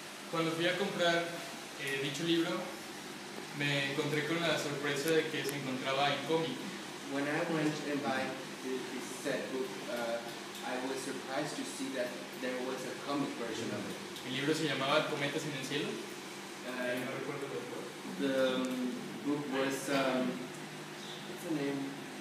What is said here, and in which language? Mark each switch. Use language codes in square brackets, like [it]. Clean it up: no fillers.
[es] Cuando fui a comprar dicho libro, me encontré con la sorpresa de que se encontraba en cómic. [en] When I went and buy this said book, I was surprised to see that there was a comic version of it. [es] El libro se llamaba Cometas en el Cielo. No recuerdo cuál fue. [en] The book was what's the name?